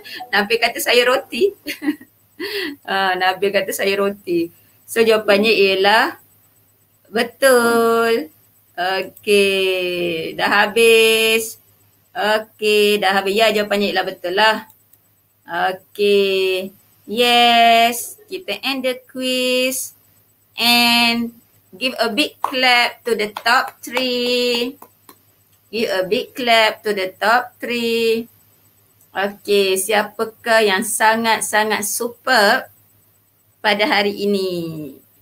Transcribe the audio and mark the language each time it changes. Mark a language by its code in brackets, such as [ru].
[ms] Nabil kata saya roti. Nabil kata saya roti. So jawapannya ialah betul. Okey, dah habis. Okey, dah habis. Ya, jawapannya ialah betul lah. Okey. [en] Yes, [ms] kita [en] end the quiz and give a big clap to the top three. Give a big clap to the top three. [ms] Okey, siapakah yang sangat-sangat superb pada hari ini?